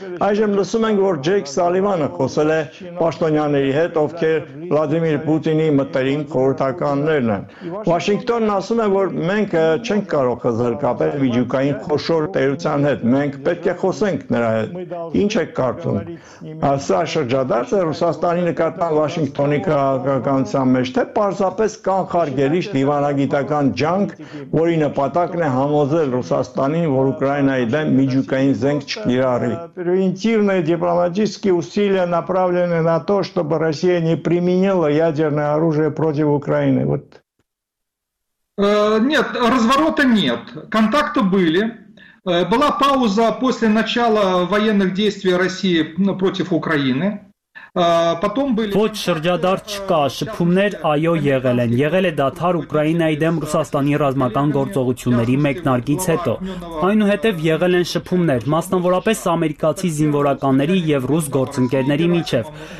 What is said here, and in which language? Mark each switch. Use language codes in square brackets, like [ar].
[hy] այժմ լսում ենք, որ Ջեյք Սալիվանը խոսել է պաշտոնյաների հետ, ովքեր Վլադիմիր Պուտինի մտերիմ խորհրդականներն են։ Վաշինգտոնն ասում է, որ մենք չենք կարող զրկապել միջուկային խոշոր տերության հետ, մենք պետք է խոսենք նրա հետ։ Ինչ եք կարծում, սա շրջադարձ է Ռուսաստանի նկատմամբ Վաշինգտոնի քաղաքականության մեջ, թե պարզապես կան խարգելիչ դիվանագիտական ջանք, որի նպատակն է համոզել Ռուսաստանին, որ Ուկրաինայի для Миджукаин Зенг Чкирары. [ru] Превентивные дипломатические усилия направлены на то, чтобы Россия не применила ядерное оружие против Украины. Вот. Нет, разворота нет. Контакты были. Была пауза после начала военных действий России против Украины. [hy] Ոչ շրջադարձ չկա, շփումներ այո եղել են, եղել է դադար Ուկրաինայի դեմ Ռուսաստանի ռազմական գործողությունների մեկնարկից հետո, այնուհետև եղել են շփումներ մասնավորապես ամերիկացի զինվորականների եւ ռուս գործընկերների միջև,